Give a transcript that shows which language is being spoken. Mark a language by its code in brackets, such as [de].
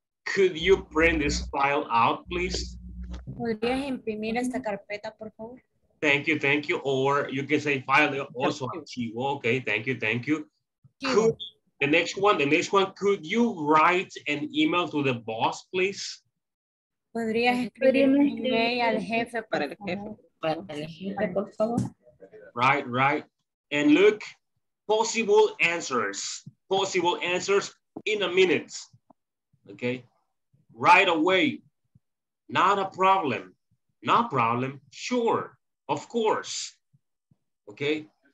[en] Could you print this file out, please? [es] ¿Podrías imprimir esta carpeta, por favor? [en] Thank you. Or you can say file also archivo. Okay, thank you. The next one, could you write an email to the boss, please? [es] ¿Podrías escribir un email al jefe para el jefe, por favor? [en] Right. And look, possible answers in a minute, okay? Right away, not a problem, sure, of course, okay?